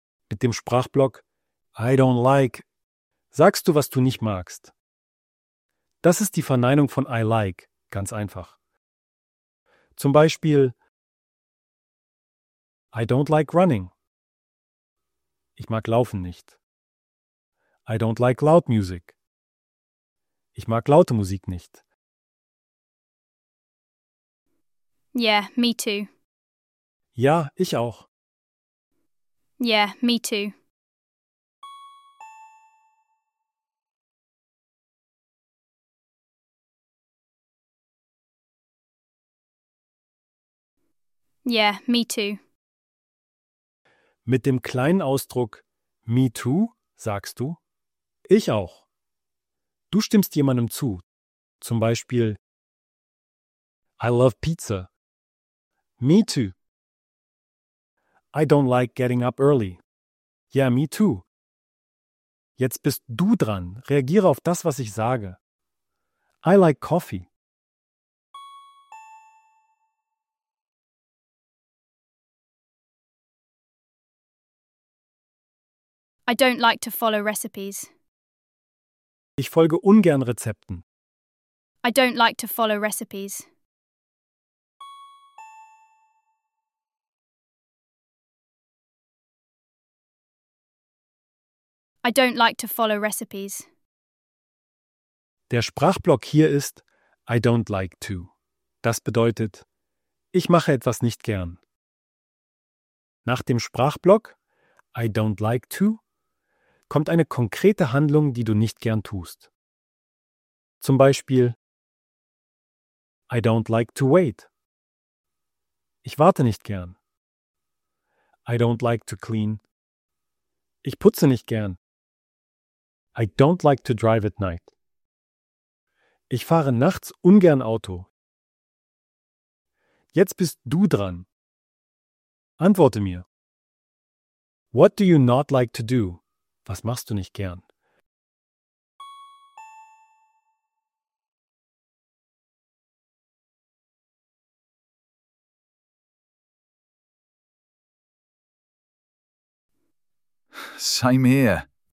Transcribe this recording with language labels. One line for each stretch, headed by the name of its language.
German: Mit dem Sprachblock
English: I don't like
German: sagst du, was du nicht magst. Das ist die Verneinung von I like, ganz einfach. Zum Beispiel
English: I don't like running.
German: Ich mag Laufen nicht.
English: I don't like loud music.
German: Ich mag laute Musik nicht.
English: Yeah, me too.
German: Ja, ich auch.
English: Yeah, me too. Yeah, me too.
German: Mit dem kleinen Ausdruck
English: me too
German: sagst du, ich auch. Du stimmst jemandem zu. Zum Beispiel,
English: I love pizza. Me too. I don't like getting up early. Yeah, me too.
German: Jetzt bist du dran. Reagiere auf das, was ich sage.
English: I like coffee. I don't like to follow recipes.
German: Ich folge ungern Rezepten.
English: I don't like to follow recipes. I don't like to follow recipes.
German: Der Sprachblock hier ist
English: I don't like to.
German: Das bedeutet, ich mache etwas nicht gern. Nach dem Sprachblock
English: I don't like to
German: kommt eine konkrete Handlung, die du nicht gern tust. Zum Beispiel
English: I don't like to wait.
German: Ich warte nicht gern.
English: I don't like to clean.
German: Ich putze nicht gern.
English: I don't like to drive at night.
German: Ich fahre nachts ungern Auto. Jetzt bist du dran. Antworte mir.
English: What do you not like to do?
German: Was machst du nicht gern?
English: Same here.